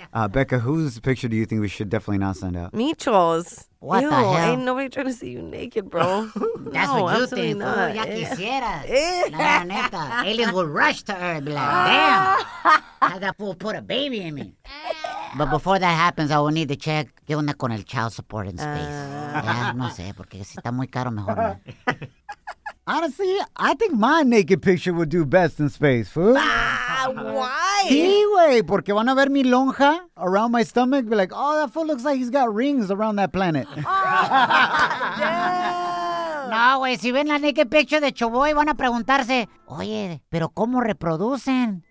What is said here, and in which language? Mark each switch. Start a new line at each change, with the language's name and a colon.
English: Becca, whose picture do you think we should definitely not send out? Micho's. What Ew, the hell? Ain't nobody trying to see you naked, bro. That's no, what you think, no.
Spanish: Ya quisiera. La neta.
English: Aliens will rush to Earth. Be like, damn. How'd that fool put a baby in me? But before that happens, I will need to check.
Spanish: ¿Qué onda con el
English: child support in space? Yeah,
Spanish: no sé, porque si está muy caro, mejor no.
English: Honestly, I think my naked picture would do best in space, fool. Why?
Spanish: Sí, güey, porque van a ver mi lonja
English: around my stomach. Be like, oh, that fool looks like he's got rings around that planet.
Spanish: No, güey, si ven la
English: naked picture
Spanish: de Chuboy, van a preguntarse, oye, ¿pero cómo reproducen?